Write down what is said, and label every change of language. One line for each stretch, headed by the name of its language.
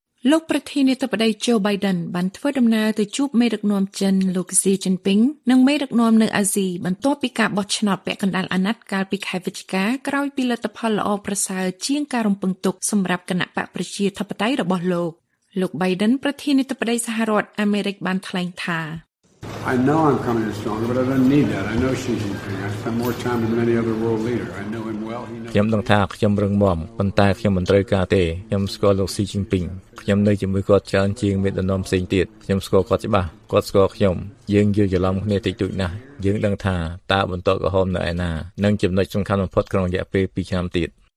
Khmer: លោកប្រធានាធិបតី Joe Biden បានធ្វើដំណើរទៅជួបមេដឹកនាំចិនលោក Xi Jinping និងមេដឹកនាំនៅអាស៊ីបន្ទាប់ពីការបោះឆ្នោតពាក់កណ្ដាលអាណត្តិកាលពីខែវិច្ឆិកាក្រោយពីលទ្ធផលល្អប្រសើរជាងការរំពឹងទុកសម្រាប់គណៈបកប្រជាធិបតេយ្យរបស់លោកលោក Biden ប្រធានាធិបតីសហរដ្ឋអាមេរិកបានថ្លែងថា
English: I know I'm coming strong but I don't need that. I know Xi Jinping. I spend more time than any other world leader. I know him well.
Khmer: ខ្ញុំដឹងថាខ្ញុំរឹងមាំប៉ុន្តែខ្ញុំមិនត្រូវការទេខ្ញុំស្គាល់លោក Xi Jinping. ខ្ញុំនៅជាមួយគាត់ច្រើនជាងមេដឹកនាំផ្សេងទៀតខ្ញុំស្គាល់គាត់ច្បាស់គាត់ស្គាល់ខ្ញុំយើងយល់ច្រឡំគ្នាតិចតួចណាស់យើងដឹងថាតើបន្តក្រហមនៅឯណានិងចំណុចសំខាន់បំផុតក្នុងរយៈពេល2ឆ្នាំទៀត